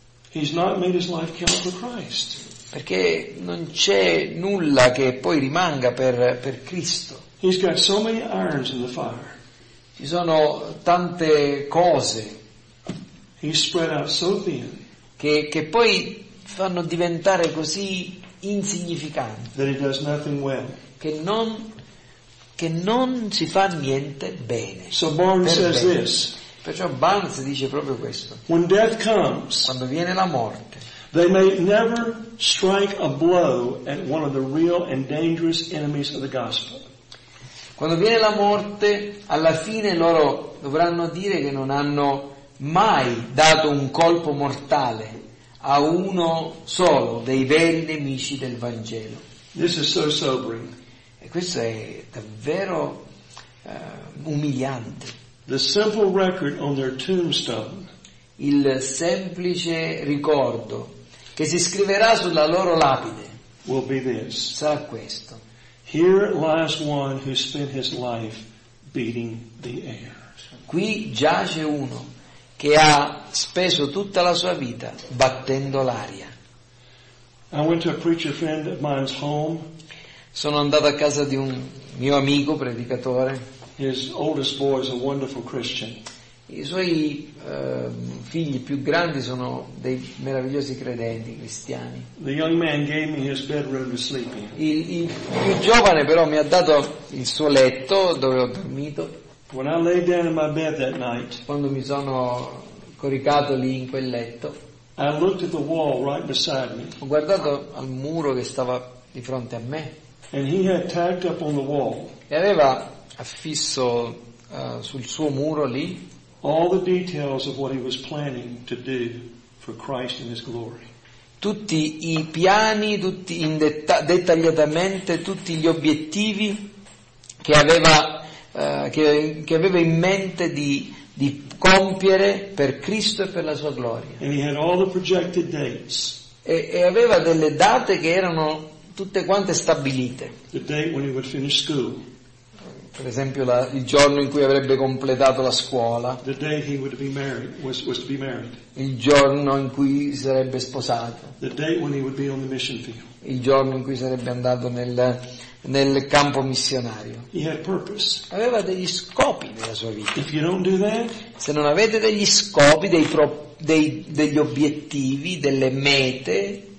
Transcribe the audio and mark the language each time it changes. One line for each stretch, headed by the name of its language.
English: He's not made his life count for Christ.
Italian: Perché non c'è nulla che poi rimanga per Cristo.
English: He's got so many irons in the fire.
Italian: Ci sono tante cose
English: he's spread out so thin
Italian: che poi fanno diventare così insignificanti
English: that he does nothing well.
Italian: Che non si fa niente bene.
English: So Barnes says
Italian: bene.
English: This.
Italian: Perciò Barnes dice proprio questo.
English: When death comes,
Italian: quando viene la morte,
English: they may never strike a blow at one of the real and dangerous enemies of the gospel.
Italian: Quando viene la morte, alla fine loro dovranno dire che non hanno mai dato un colpo mortale a uno solo dei veri nemici del Vangelo.
English: This is so sobering.
Italian: E questo è davvero umiliante.
English: The simple record on their tombstone.
Italian: Il semplice ricordo che si scriverà sulla loro lapide
English: will be this.
Italian: Sarà questo.
English: Here lies one who spent his life beating the air.
Italian: Qui giace uno che ha speso tutta la sua vita battendo l'aria.
English: I went to a preacher friend of mine's home.
Italian: Sono andato a casa di un mio amico predicatore.
English: His oldest boy is a wonderful Christian.
Italian: I suoi figli più grandi sono dei meravigliosi credenti cristiani.
English: The young man gave me his bedroom to sleep in.
Italian: Il più giovane però mi ha dato il suo letto dove ho dormito.
English: When I lay down in my bed that night,
Italian: quando mi sono coricato lì in quel letto,
English: I looked at the wall right beside me.
Italian: Ho guardato al muro che stava di fronte a me.
English: And he had tacked up on the wall.
Italian: E aveva affisso sul suo muro lì
English: all the details of what he was planning to do for Christ and his glory.
Italian: Tutti i piani, tutti in dettagliatamente tutti gli obiettivi che aveva in mente di compiere per Cristo e per la sua gloria.
English: And he had all the projected dates.
Italian: E aveva delle date che erano tutte quante stabilite.
English: The date when he would finish school.
Italian: Per esempio il giorno in cui avrebbe completato la scuola.
English: The day he would be married, was to be married.
Italian: Il giorno in cui sarebbe sposato.
English: The day when he would be on the mission field.
Italian: Il giorno in cui sarebbe andato nel campo missionario.
English: He had purpose.
Italian: Aveva degli scopi nella sua vita.
English: If you don't do that,
Italian: se non avete degli scopi, degli obiettivi, delle mete,